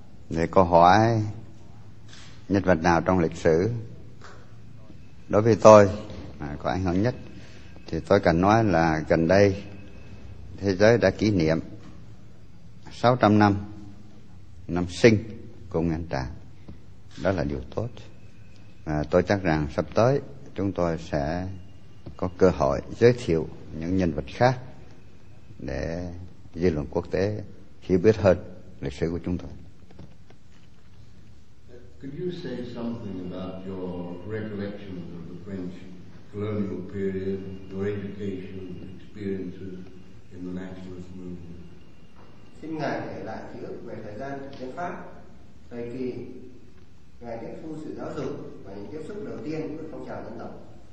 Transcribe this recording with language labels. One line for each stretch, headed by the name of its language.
Vietnamese: Để câu hỏi nhân vật nào trong lịch sử đối với tôi có ảnh hưởng nhất thì tôi cần nói là gần đây thế giới đã kỷ niệm 600 năm năm sinh của Nguyễn Trãi. Đó là điều tốt. À, tôi chắc rằng sắp tới chúng tôi sẽ có cơ hội giới thiệu những nhân vật khác để dư luận quốc tế hiểu biết hơn lịch sử của chúng tôi.
English: Could you say something about your recollections of the French colonial period, your education, experiences in the nationalist movement?
Vietnamese: Xin ngài kể lại ký ức về thời gian tiếng Pháp, thời kỳ ngài tiếp thu sự giáo dục và những tiếp xúc đầu tiên với phong trào dân tộc.